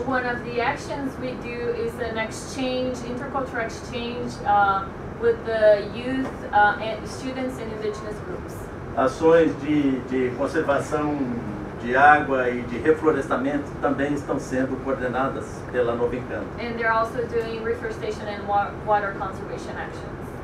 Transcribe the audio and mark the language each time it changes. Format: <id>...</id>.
<en>One of the actions we do is an exchange, intercultural exchange, with the youth and students in indigenous groups.</en> <pt>Ações de conservação de água e de reflorestamento também estão sendo coordenadas pela Novo Encanto.</pt> <en>And they're also doing reforestation and water conservation actions.</en>